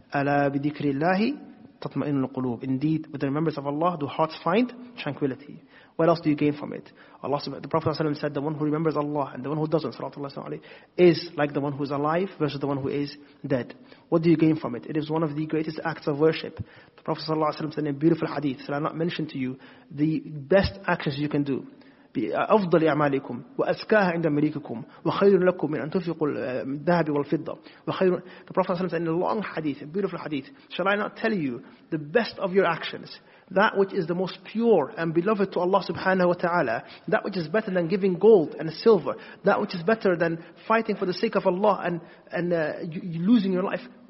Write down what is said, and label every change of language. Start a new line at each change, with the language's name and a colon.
Arabic: Ala bi dhikri Allahi. تَطْمَئِنُ الْقُلُوبِ.
English: Indeed, with the remembrance of Allah, do hearts find tranquility. What else do you gain from it? Allah, the Prophet ﷺ said, the one who remembers Allah and the one who doesn't, sallallahu alayhi wa sallam, is like the one who is alive versus the one who is dead. What do you gain from it? It is one of the greatest acts of worship. The Prophet ﷺ said in a beautiful hadith, so I'll not mention to you, the best actions you can do,
Arabic: أفضل أعمالكم وأزكاها عند مليككم وخير لكم من أن تنفقوا الذهب والفضة وخير.
English: The Prophet ﷺ said in a long hadith, a beautiful hadith, shall I not tell you the best of your actions, that which is the most pure and beloved to Allah subhanahu wa ta'ala, that which is better than giving gold and silver, that which is better than fighting for the sake of Allah and losing your life.